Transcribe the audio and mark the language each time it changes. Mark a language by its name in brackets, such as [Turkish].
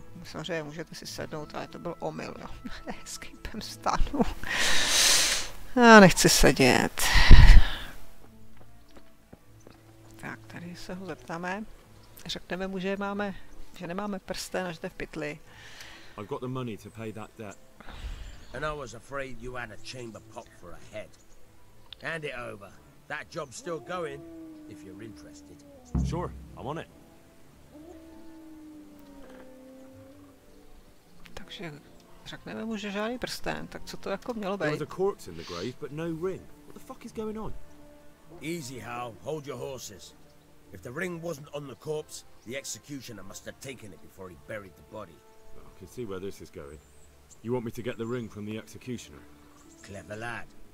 [Czech] Samozřejmě můžete si sednout, ale to byl omyl, jo. S kýpem stanu. Já nechci sedět. Tak, tady se ho zeptáme. Řekneme mu, že nemáme prsten a že jde v pytli. [English] I've got the money to pay that debt. And I was afraid you had a chamber pot for a head. Hand it over. That job's still going, if you're interested. Sure, I'm on it. [Czech] Takže řekneme mu, že žádný prsten, tak co to jako mělo být? [English] There's a corpse in the grave, but no ring. What the fuck is going on? Easy, Hal. Hold your horses. If the ring wasn't on the corpse, the executioner must have taken it before he buried the body. Well, I can see where this is going. You want me to get the ring from the executioner? Clever lad.